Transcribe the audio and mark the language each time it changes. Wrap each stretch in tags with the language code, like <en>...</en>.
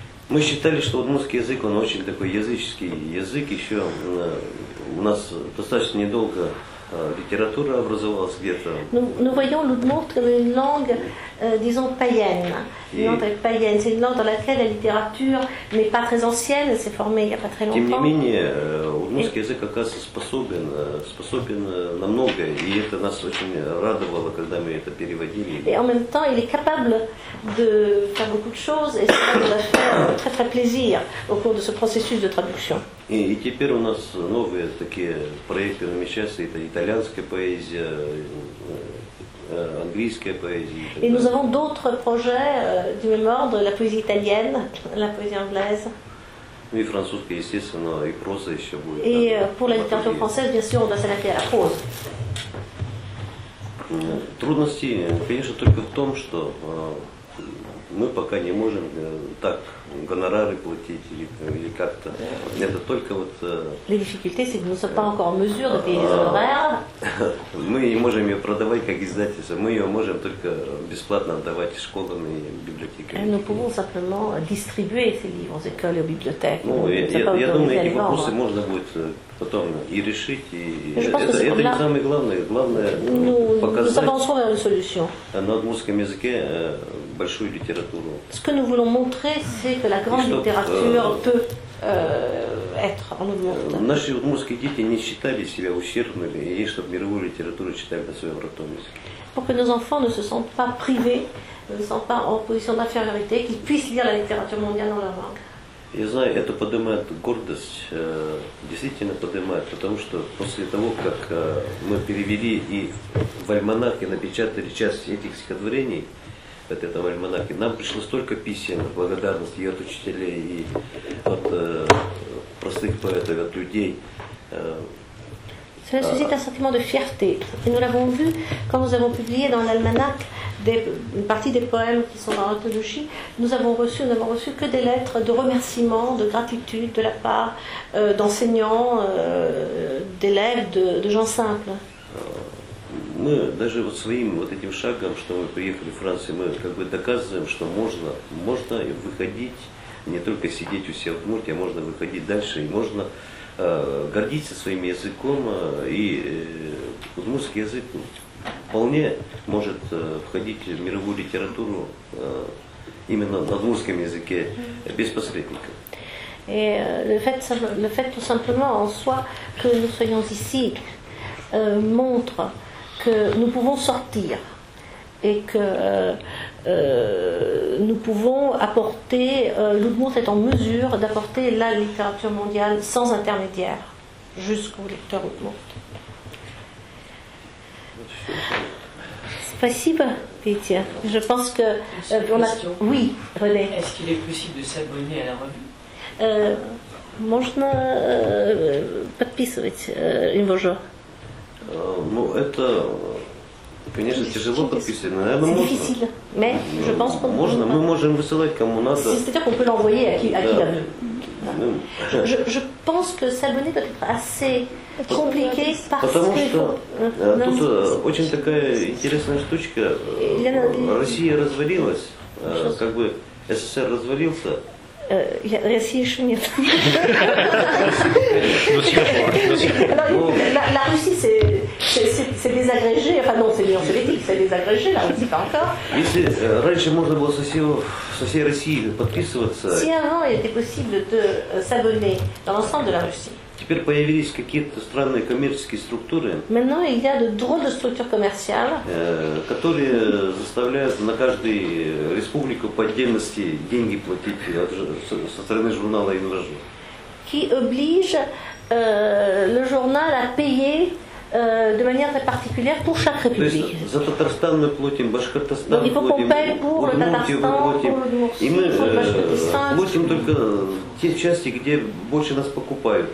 <ru>Мы считали, что удмуртский язык, он очень такой языческий язык, еще у нас достаточно недолго литература образовалась где-то.</ru> <fr>Nous voyons l'Udmurte comme une langue, disons, païenne. Une langue païenne, c'est une langue dans laquelle la littérature n'est pas très ancienne, elle s'est formée il n'y a pas très longtemps.</fr> <ru>Тем не менее, удмуртский язык, оказывается, способен на многое, и это нас очень радовало, когда мы это переводили.</ru> <fr>Et en même temps, il est capable de faire beaucoup de choses, et ça nous a fait très très plaisir au cours de ce processus de traduction.</fr> <ru>И теперь у нас новые такие проекты намечаются, это итальянская поэзия, английская поэзия.</ru> <fr>Et nous avons d'autres projets du même ordre, la poésie italienne, la poésie anglaise.</fr> <ru>Ну и французская, естественно, и проза еще будет.</ru> <fr>Et pour la littérature française, bien sûr, on va s'attaquer à la prose.</fr> <ru>Трудности, конечно, только в том, что мы пока не можем так гонорары платить или как-то. Это только вот...</ru> <fr>Les difficultés, c'est que nous ne sommes pas encore en mesure de payer les honoraires.</fr> <ru>Мы не можем ее продавать как издательство. Мы ее можем только бесплатно отдавать школам и библиотекам.</ru> <fr>Et nous pouvons simplement distribuer ces livres aux écoles et aux bibliothèques.</fr> <ru>Ну, я думаю, эти вопросы можно будет потом и решить. И это не самое главное. Главное показать...</ru> <fr>Nous avançons vers une solution.</fr> <ru>На удмуртском языке большую литературу.</ru> <fr>Ce que nous voulons montrer, c'est que la grande littérature peut être en Udmurte.</fr> <ru>Наши удмуртские дети не считали себя ущербными, и чтобы мировую литературу читали на своем родном языке.</ru> <fr>Pour que nos enfants ne se sentent pas privés, ne se sentent pas en position d'infériorité, qu'ils puissent lire la littérature mondiale dans leur langue.</fr> <ru>Я знаю, это поднимает гордость, действительно поднимает, потому что после того, как мы перевели и в альманахе напечатали часть этих стихотворений, от этого альманаха. Нам пришло столько писем благодарности и от учителей, и от простых поэтов, от людей.</ru> <fr>Cela suscite un sentiment de fierté. Et nous l'avons vu quand nous avons publié dans l'almanach une partie des poèmes qui sont dans l'anthologie. Nous n'avons reçu que des lettres de remerciement, de gratitude de la part d'enseignants, d'élèves, de gens simples.</fr> <ru>Мы даже вот своим вот этим шагом, что мы приехали в Францию, мы как бы доказываем, что можно выходить, не только сидеть у себя в Удмурте, а можно выходить дальше, и можно гордиться своим языком, и удмуртский язык вполне может входить в мировую литературу именно на удмуртском языке, без посредников.</ru> <fr>Le fait tout simplement en soi que nous soyons ici montre que nous pouvons sortir et que nous pouvons apporter, l'Udmurte est en mesure d'apporter la littérature mondiale sans intermédiaire jusqu'au lecteur Udmurte. C'est possible, Pétien. Je pense que... Oui, René. Est-ce qu'il est possible de s'abonner à la revue</fr> <ru>Можно подписывать его же. Ну, это, конечно, тяжело подписывать, но наверное, можно. Мы можем высылать кому надо.</ru> <fr>C'est-à-dire qu'on peut l'envoyer à qui l'a vu. Je pense que s'abonner doit être assez</fr> <ru>Тут очень такая интересная штучка. Россия развалилась, как бы СССР развалился. России еще нет.</ru> <fr>La Russie, c'est désagrégé. Enfin non, c'est l'Union soviétique, c'est désagrégé, là, on ne sait pas encore.</fr> <ru>Если раньше можно было со всей России подписываться...</ru> <fr>Si avant, il était possible de s'abonner dans l'ensemble de la Russie.</fr> <ru>Теперь появились какие-то странные коммерческие структуры.</ru> <fr>Maintenant, il y a de drôles de structures commerciales,</fr> <ru>которые заставляют на каждую республику по отдельности деньги платить со стороны журнала Invasion.</ru> <fr>Qui oblige le journal à payer de manière très particulière pour chaque république.</fr> <ru>За Татарстан мы платим, Башкортостан платим.</ru> <fr>Il faut qu'on paye pour le Татарстан, pour le Башкортостан.</fr> <ru>И мы платим только те части, где больше нас покупают.</ru>